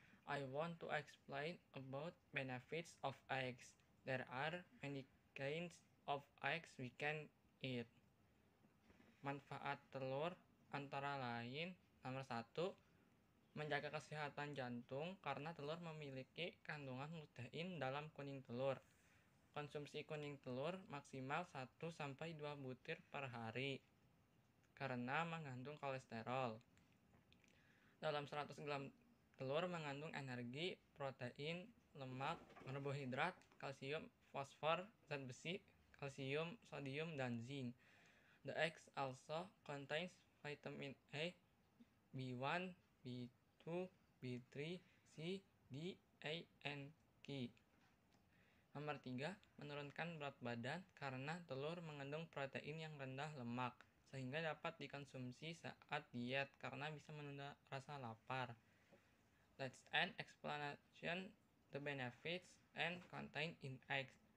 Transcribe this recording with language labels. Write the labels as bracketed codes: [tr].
[en] I want to explain about benefits of eggs. There are many kinds of eggs we can eat. [id] Manfaat telur antara lain, nomor satu, menjaga kesehatan jantung karena telur memiliki kandungan lutein dalam kuning telur. Konsumsi kuning telur maksimal 1-2 butir per hari karena mengandung kolesterol. Dalam 100 gram telur mengandung energi, protein, lemak, karbohidrat, kalsium, fosfor, zat besi, kalsium, sodium, dan zinc. [en] The eggs also contains vitamin A, B1, B2, B3, C, D, A, and K. [id] Nomor 3, menurunkan berat badan karena telur mengandung protein yang rendah lemak, sehingga dapat dikonsumsi saat diet karena bisa menunda rasa lapar. [en] That's an explanation the benefits and contain in eggs.